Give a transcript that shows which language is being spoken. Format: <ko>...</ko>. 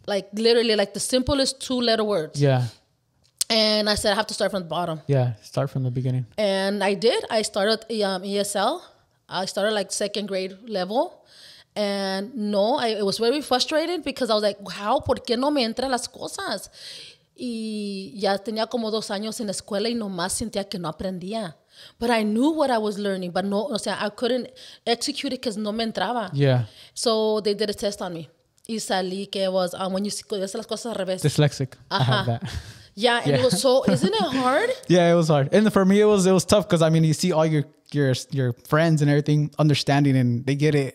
<en>Like literally like the simplest 2-letter words. Yeah. And I said, I have to start from the bottom. Yeah, start from the beginning. And I did. I started ESL. I started like second grade level. And no, it was very frustrating because I was like, how?</en> <es>¿Por qué no me entran las cosas? Y ya tenía como 2 años en la escuela y nomás sentía que no aprendía.</es> <en>But I knew what I was learning, but no,</en> <es>o sea,</es> <en>I couldn't execute it because</en> <es>no me entraba.</es> <en>Yeah. So they did a test on me.</en> <es>Y salí que</es> <en>was, when you</en> <es>hacer las cosas al revés.</es> <en>Dyslexic. Uh-huh. I have that. Yeah, and it was so, isn't it hard? Yeah, it was hard. And for me, it was tough because, I mean, you see all your friends and everything understanding and they get it.</en>